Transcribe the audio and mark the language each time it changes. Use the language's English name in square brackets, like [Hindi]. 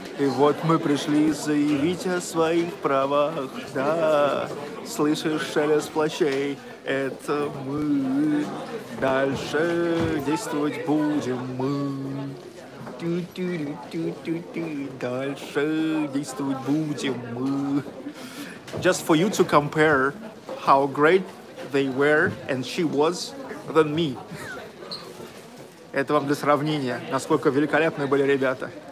[Russian] И вот мы пришли заявить о своих правах. Да, слышишь шелест плащей, это мы. Дальше действовать будем мы. Дальше действовать будем мы. [English] Just for you to compare how great they were and she was than me. [Russian] Это вам для сравнения, насколько великолепны были ребята.